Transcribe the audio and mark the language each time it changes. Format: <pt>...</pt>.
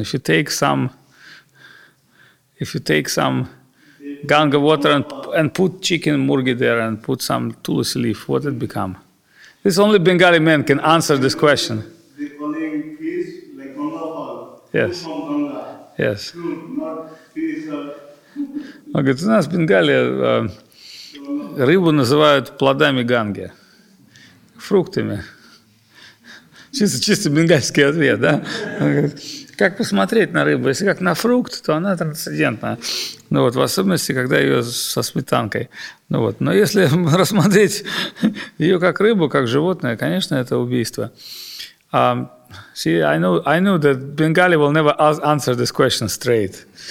<en>If you take some Ganga water and put chicken murgi there and put some tulsi leaf, what it become? This only Bengali man can answer this question. The following fish, like Ganga fall, yes. From Ganga. Yes. Fruit, not fish.</en> <ru>Он говорит, у нас в Бенгалии рыбу называют плодами Ганги, фруктами. Чисто бенгальский ответ, да? Как посмотреть на рыбу? Если как на фрукт, то она трансцендентна. Ну вот, в особенности, когда ее со сметанкой. Ну вот. Но если рассмотреть ее как рыбу, как животное, конечно, это убийство.</ru> <en>I know that Bengali will never answer this question straight.</en>